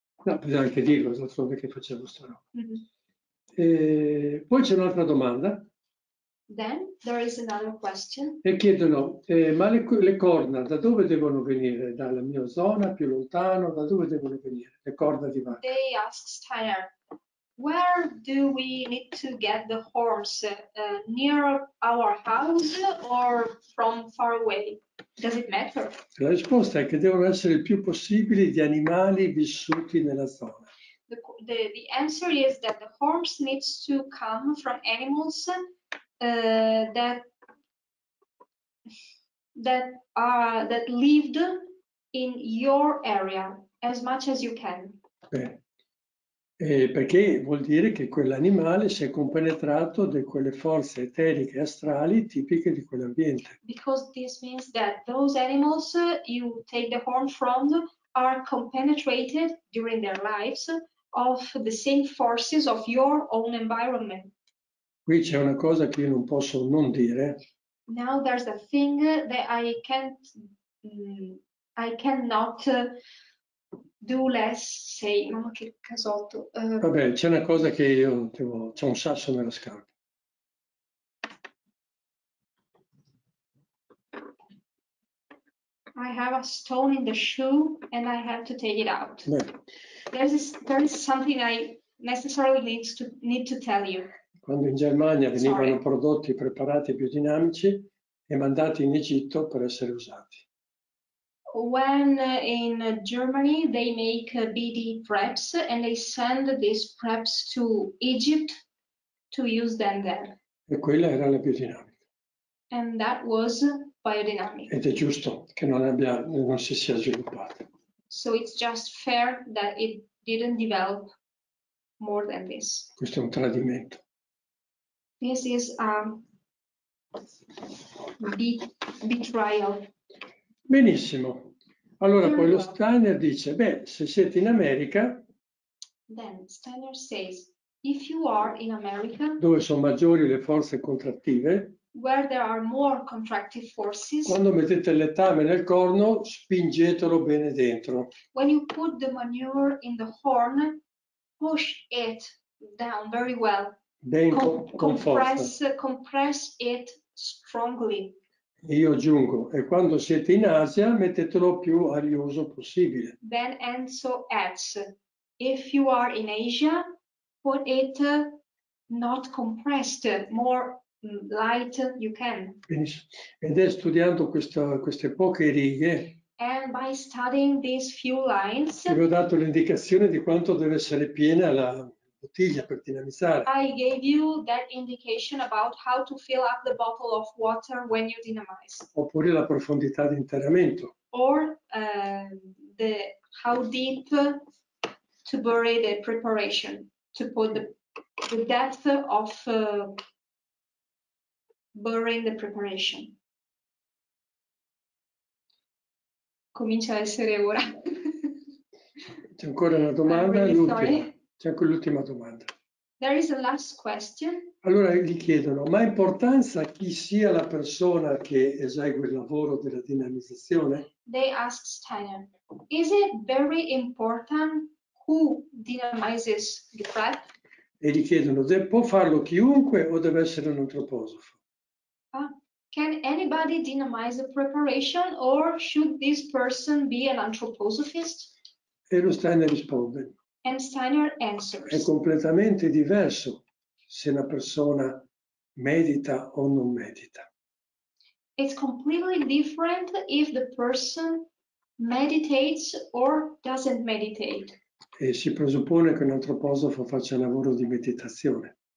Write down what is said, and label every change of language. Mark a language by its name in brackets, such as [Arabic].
[Italian] No, bisogna anche dirlo, d'altronde che facevo sta roba. Mm-hmm. Poi c'è un'altra domanda. [English] Then there is another question. [Italian] E chiedono, ma le corna da dove devono venire? Dalla mia zona, più lontano, da dove devono venire? Le corna di vacca. [English] They ask Steiner. Where do we need to get the horns? Near our house or from far away? Does it matter? [Italian] La risposta è che devono essere il più possibile di animali vissuti nella zona. [English] The answer is that the horns needs to come from animals that lived in your area as much as you can. [Italian] Beh. Perché vuol dire che quell'animale si è compenetrato di quelle forze eteriche e astrali tipiche di quell'ambiente. [English] Because this means that those animals you take the horn from are compenetrated during their lives of the same forces of your own environment. [Italian] Qui c'è una cosa che io non posso non dire. [English] Now there's a thing that I cannot do less, say, [Italian] mamma che casotto. Vabbè, c'è una cosa che io devo, c'è un sasso nella scarpa. [English] I have a stone in the shoe and I have to take it out. There is something I necessarily need to tell you. [Italian] Quando in Germania venivano prodotti preparati biodinamici e mandati in Egitto per essere usati. [English] when in Germany they make BD preps and they send these preps to Egypt to use them there. [Italian] E quella era la biodinamica. [English] And that was biodynamic. [Italian] Ed è giusto che non si sia sviluppata. [English] So it's just fair that it didn't develop more than this. [Italian] Questo è un tradimento. [English] This is a betrayal. [Italian] Benissimo. Allora, poi lo Steiner dice, beh, se siete in America, [English] then Steiner says, if you are in America, [Italian] dove sono maggiori le forze contrattive, [English] where there are more contractive forces, [Italian] quando mettete il letame nel corno, spingetelo bene dentro. [English] When you put the manure in the horn, push it down very well. [Italian] Ben con forza. [English] Compress it strongly. [Italian] Io aggiungo, e quando siete in Asia, mettetelo più arioso possibile. [English] Then Enzo adds, if you are in Asia, put it not compressed, more light you can. [Italian] Ed è studiando queste poche righe. [English] And by studying these few lines, [Italian] vi ho dato l'indicazione di quanto deve essere piena la bottiglia per dinamizzare. [English] I gave you that indication about how to fill up the bottle of water when you dynamize. [Italian] Oppure la profondità di interramento. [English] Or the how deep to bury the preparation, to put the depth of burying the preparation. [Italian] Comincia a essere ora. C'è ancora una domanda? [English] Really [Italian] l'ultima. C'è anche l'ultima domanda. [English] There is a last question. [Italian] Allora gli chiedono, ma importanza chi sia la persona che esegue il lavoro della dinamizzazione? [English] They ask Steiner, is it very important who dynamizes the prep? [Italian] E gli chiedono, può farlo chiunque o deve essere un antroposofo? [English] Can anybody dynamize the preparation or should this person be an anthroposophist? [Italian] E lo Steiner risponde. [English] And Steiner answers. [Italian] È completamente diverso se una persona medita o non medita. [English] It's completely different if the person meditates or doesn't meditate. [Italian] E si presuppone che un antroposofo faccia lavoro di meditazione.